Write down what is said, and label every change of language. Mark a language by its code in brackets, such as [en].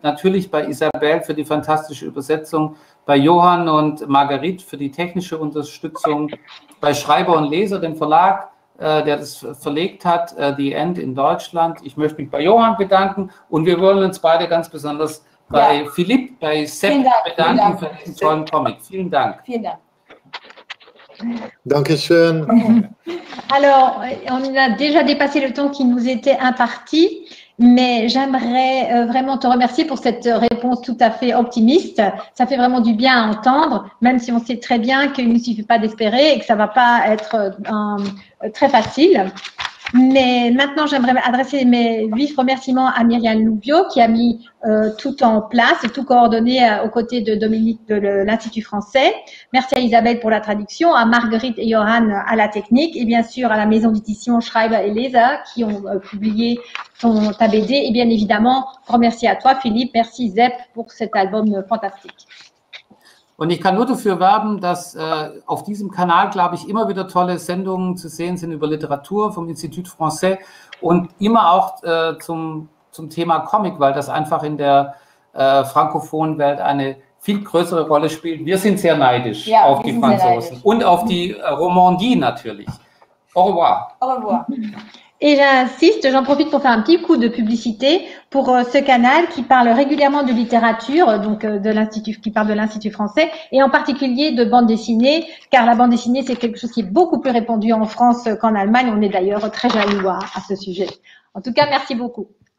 [de] Natürlich bei Isabelle für die fantastische Übersetzung, bei Johann und Marguerite für die technische Unterstützung, bei Schreiber und Leser, dem Verlag, der das verlegt hat, The End in Deutschland. Ich möchte mich bei Johann bedanken und wir wollen uns beide ganz besonders bei Philipp, bei Sepp bedanken für diesen tollen Comic. Vielen Dank. Vielen Dank. Dankeschön. [fr] Alors, on a déjà dépassé le temps qui nous était imparti, mais j'aimerais vraiment te remercier pour cette réponse tout à fait optimiste. Ça fait vraiment du bien à entendre, même si on sait très bien qu'il ne suffit pas d'espérer et que ça ne va pas être très facile. Mais maintenant, j'aimerais adresser mes vifs remerciements à Myriam Louviot qui a mis tout en place, tout coordonné aux côtés de Dominique de l'Institut français. Merci à Isabelle pour la traduction, à Marguerite et Johann à la technique et bien sûr à la maison d'édition Schreiber et Leser qui ont publié ta BD. Et bien évidemment, remercie à toi Philippe, merci Zepp pour cet album fantastique. [de] Und ich kann nur dafür werben, dass auf diesem Kanal, glaube ich, immer wieder tolle Sendungen zu sehen sind über Literatur vom Institut Français und immer auch zum Thema Comic, weil das einfach in der frankophonen Welt eine viel größere Rolle spielt. Wir sind sehr neidisch auf die Franzosen und auf die Romandie natürlich. [fr] Au revoir. Au revoir. Et j'insiste, j'en profite pour faire un petit coup de publicité pour ce canal qui parle régulièrement de littérature, donc de l'Institut, qui parle de l'Institut français, et en particulier de bande dessinée, car la bande dessinée, c'est quelque chose qui est beaucoup plus répandu en France qu'en Allemagne. On est d'ailleurs très jaloux à ce sujet. En tout cas, merci beaucoup.